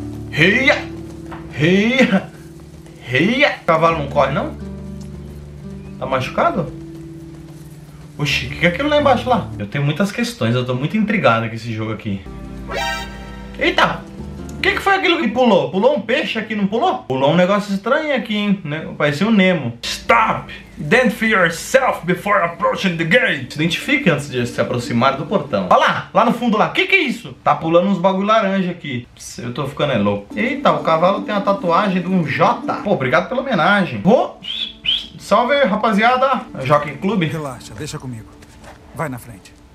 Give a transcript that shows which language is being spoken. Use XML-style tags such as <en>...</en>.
<pt>Reia! Reia! Reia! O cavalo não corre, não? Tá machucado? Oxi, o que é aquilo lá embaixo lá? Eu tenho muitas questões, eu tô muito intrigado com esse jogo aqui. Eita! O que foi aquilo que pulou? Pulou um peixe aqui, não pulou? Pulou um negócio estranho aqui, hein? Parecia um Nemo.</pt> <en>Stop! Identify yourself before approaching the gate.</en> <pt>Se identifique antes de se aproximar do portão. Olha lá, lá no fundo lá, que é isso? Tá pulando uns bagulho laranja aqui. Pss, eu tô ficando é louco. Eita, o cavalo tem uma tatuagem de um Jota. Pô, obrigado pela homenagem. Salve, rapaziada. Jockey Club. Relaxa, deixa comigo. Vai na frente.</pt>